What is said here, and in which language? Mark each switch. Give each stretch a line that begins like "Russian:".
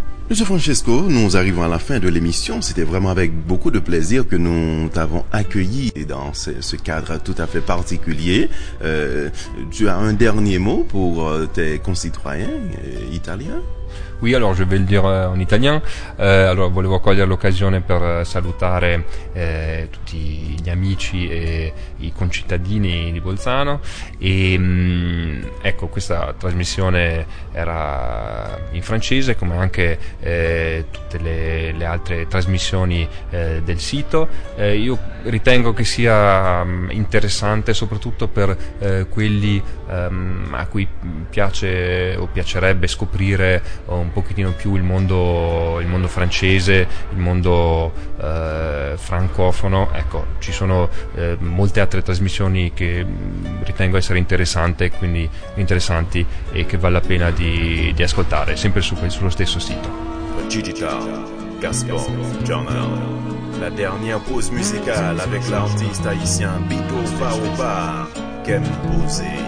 French: Monsieur Francesco, nous arrivons à la fin de l'émission. C'était vraiment avec beaucoup de plaisir que nous t'avons accueilli dans ce cadre tout à fait particulier. Tu as un dernier mot pour tes concitoyens italiens? Oui, alors je vais le dire en italien.
Italian: Allora, volevo cogliere l'occasione per salutare tutti gli amici e i concittadini di Bolzano. E ecco, questa trasmissione era in francese, come anche tutte le altre trasmissioni del sito. Io ritengo che sia interessante soprattutto per quelli a cui piace o piacerebbe scoprire un pochettino più il mondo francese, il mondo francofono. Ecco, ci sono molte altre trasmissioni che ritengo essere interessanti e che vale la pena di ascoltare, sempre sullo stesso sito.
French: Digital Gaspar Journal, la dernière pause musicale avec l'artiste haïtien Bito Faouba, Kem Bouzé.